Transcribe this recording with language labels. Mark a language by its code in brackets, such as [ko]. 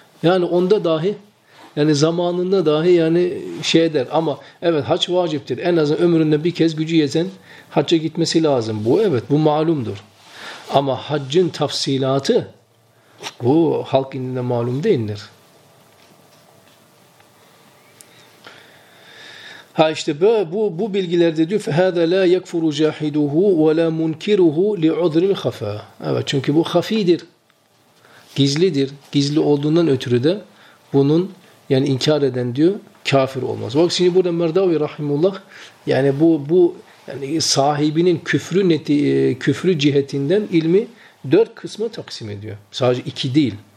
[tr] Yani onda dahi yani zamanında dahi yani şey eder ama evet hac vaciptir. En azından ömründe bir kez gücü yeten hacca gitmesi lazım. Bu evet bu malumdur. Ama haccın tafsilatı bu halk indinde malum değildir. Ha işte bu bilgilerde diyor [ar] فَهَذَا لَا يَكْفُرُ جَاحِدُهُ وَلَا مُنْكِرُهُ لِعُذْرِ الْخَفَى. [tr] Evet çünkü bu hafidir. Gizlidir. Gizli olduğundan ötürü de bunun yani inkar eden diyor kafir olmaz. Bak şimdi burada Merdavi Rahimullah yani bu yani sahibinin küfrü cihetinden ilmi dört kısma taksim ediyor. Sadece iki değil.